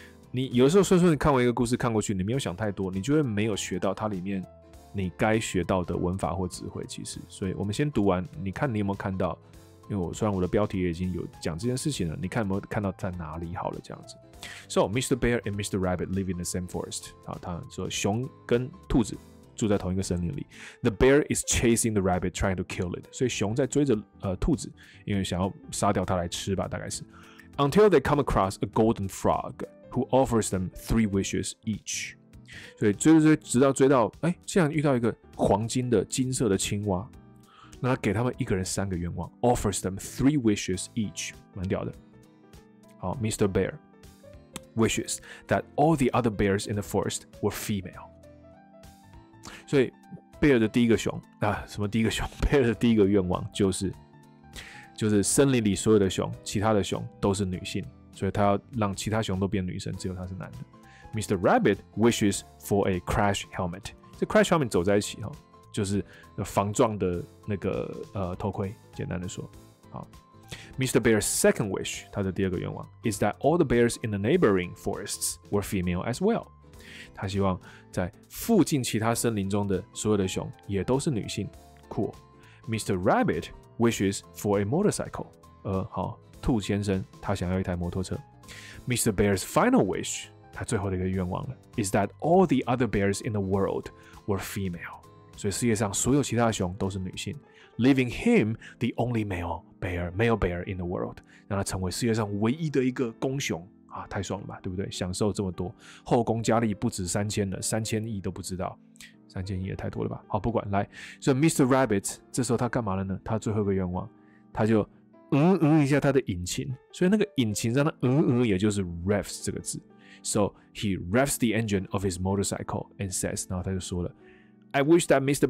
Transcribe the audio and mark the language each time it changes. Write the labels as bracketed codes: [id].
[zh] 你有的时候顺顺看完一个故事看过去，你没有想太多，你就会没有学到它里面你该学到的文法或词汇。其实，所以我们先读完，你看你有没有看到？因为我虽然我的标题也已经有讲这件事情了，你看有没有看到在哪里？好了，这样子。 [en] So, Mr. Bear and Mr. Rabbit live in the same forest. [zh] 好，他说熊跟兔子住在同一个森林里。 [en] The bear is chasing the rabbit, trying to kill it. [zh] 所以熊在追着、兔子，因为想要杀掉它来吃吧，大概是。 [en] Until they come across a golden frog. Who offers them three wishes each? [zh] 所以追，直到追到，哎，竟然遇到一个黄金的金色的青蛙，那他给他们一个人三个愿望 ， [en] offers them three wishes each， [zh] 蛮屌的。好 ，Mr. [en] Bear wishes that all the other bears in the forest were female。 [zh] 所以贝尔的第一个熊啊，什么第一个熊？贝尔的第一个愿望就是森林里所有的熊，其他的熊都是女性。所以他要让其他熊都变女生，只有他是男的。 [en] Mr. Rabbit wishes for a crash helmet. [zh] 这 crash helmet 走在一起、哦、就是防撞的那个、头盔。简单的说，好。Mr. [en] Bear's second wish， [zh] 他的第二个愿望 [en] ，is that all the bears in the neighboring forests were female as well. [zh] 他希望在附近其他森林中的所有的熊也都是女性。 [en] Cool. Mr. Rabbit wishes for a motorcycle. [zh] 好。兔先生他想要一台摩托车。 [en] Mr. Bear's final wish， [zh] 他最后的一个愿望了 [en] ，is that all the other bears in the world were female。 [zh] 所以世界上所有其他的熊都是女性 ， [en] leaving him the only male bear in the world， [zh] 让他成为世界上唯一的一个公熊啊，太爽了吧，对不对？享受这么多，后宫佳丽不止三千了，三千亿都不知道，三千亿也太多了吧？好，不管来，所以 Mr. Rabbit 这时候他干嘛了呢？他最后一个愿望，他就。一下他的引擎，所以那个引擎让他也就是 revs 这个字。 [en] So he revs the engine of his motorcycle and says， [zh] 然后他就说了 [en] ，I wish that Mr.